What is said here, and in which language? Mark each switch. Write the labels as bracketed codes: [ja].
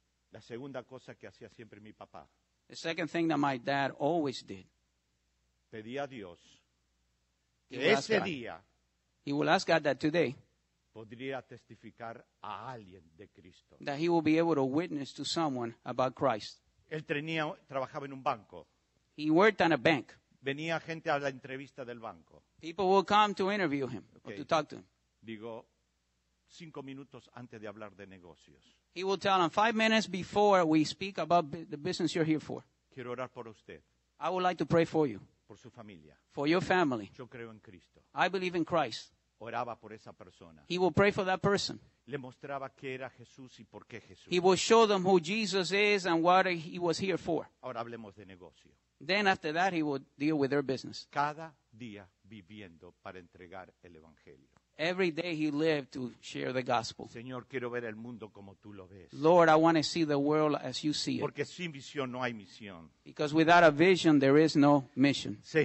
[es] La segunda cosa que hacía siempre mi papá. [en] The second thing that my dad always did. [es] Pedía a Dios que ese día. [en] He will ask God that today. [es] Podría testificar a alguien de Cristo. [en] That he will be able to witness to someone about Christ. [es] Él tenía, trabajaba en un banco. [en] He worked on a bank. [es] Venía gente a la entrevista del banco. [en] People will come to interview him, okay. Or to talk to him. [es] Digo, 5 minutos antes de hablar de negocios. [en] He will tell him 5 minutes before we speak about the business you're here for. [es] Quiero orar por usted. [en] I would like to pray for you. [es] Por su familia. [en] For your family. [es] Yo creo en Cristo. [en] I believe in Christ. [es] Oraba por esa persona. [en] He will pray for that person. [es] Le mostraba qué era Jesús y por qué Jesús. [en] He will show them who Jesus is and what he was here for. [es] Ahora hablemos de negocio. [en] Then after that, he will deal with their business. [es] Cada día viviendo para entregar el evangelio. [en] Every day he lived to share the gospel. [es] Señor, quiero ver el mundo como tú lo ves. [en] Lord, I want to see the world as you see it. [es] Porque sin visión no hay misión. [en] Because without a vision, there is no mission.